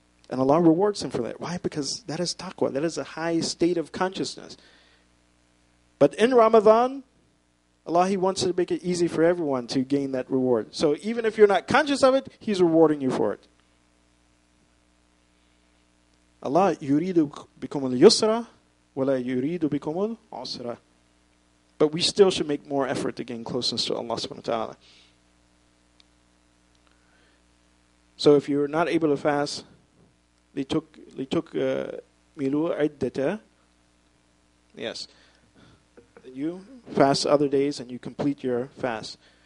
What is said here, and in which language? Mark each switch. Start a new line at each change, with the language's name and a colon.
English: And Allah rewards them for that. Why? Because that is taqwa. That is a high state of consciousness. But in Ramadan, Allah, He wants to make it easy for everyone to gain that reward. So even if you're not conscious of it, He's rewarding you for it. Allah,
Arabic: يُرِيدُ بِكُمُ الْيُسْرَ وَلَا يُرِيدُ بِكُمُ الْعُسْرَ.
English: But we still should make more effort to gain closeness to Allah subhanahu wa ta'ala. So if you're not able to fast, they took
Arabic: مِلُوا عِدَّةَ.
English: Yes. You fast other days and you complete your fast.